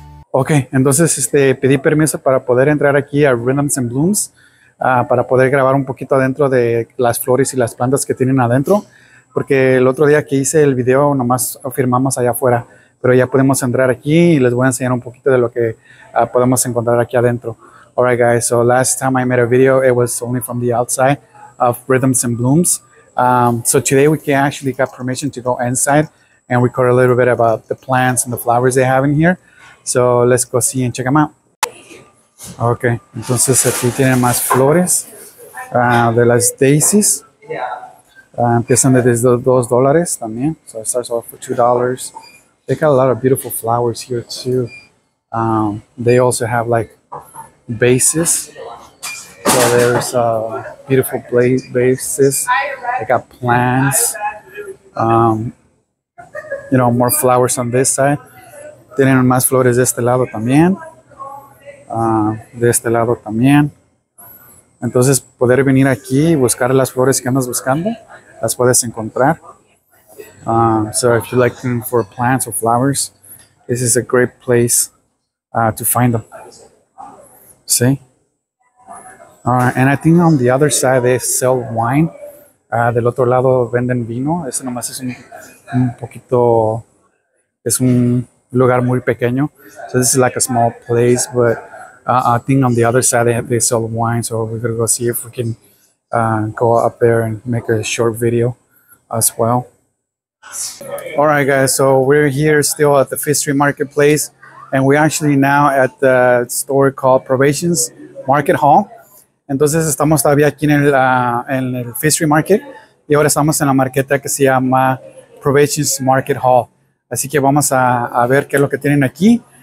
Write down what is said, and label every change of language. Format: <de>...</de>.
<es>Ok, entonces pedí permiso para poder entrar aquí a Rhythms and Blooms para poder grabar un poquito adentro de las flores y las plantas que tienen adentro, porque el otro día que hice el video nomás firmamos allá afuera, pero ya podemos entrar aquí y les voy a enseñar un poquito de lo que podemos encontrar aquí adentro.</es> <en>Alright guys, so last time I made a video it was only from the outside of Rhythms and Blooms. So today we can actually got permission to go inside and record a little bit about the plants and the flowers they have in here. So let's go see and check them out.</en> <es>Ok, entonces aquí tienen más flores de las daisies. Empiezan desde $2 también.</es> <en>So it starts off for $2. They got a lot of beautiful flowers here too. They also have like vases. So there's beautiful vases. They got plants. You know, more flowers on this side.</en> <es>Tienen más flores de este lado también. De este lado también. Entonces, poder venir aquí y buscar las flores que andas buscando, las puedes encontrar.</es> <en>So, if you like looking for plants or flowers, this is a great place to find them. See? Alright, and I think on the other side they sell wine.</en> <es>Del otro lado venden vino. Ese nomás es un poquito... Es un... lugar muy pequeño.</es> <en>So this is like a small place, but I think on the other side they sell wine, so we're gonna go see if we can go up there and make a short video as well. All right guys, so we're here still at the Fifth Street Marketplace and we're actually now at the store called Provisions Market Hall.</en> <es>Entonces estamos todavía aquí en el Fifth Street Market y ahora estamos en la marqueta que se llama Provisions Market Hall. Así que vamos a ver qué es lo que tienen aquí.</es>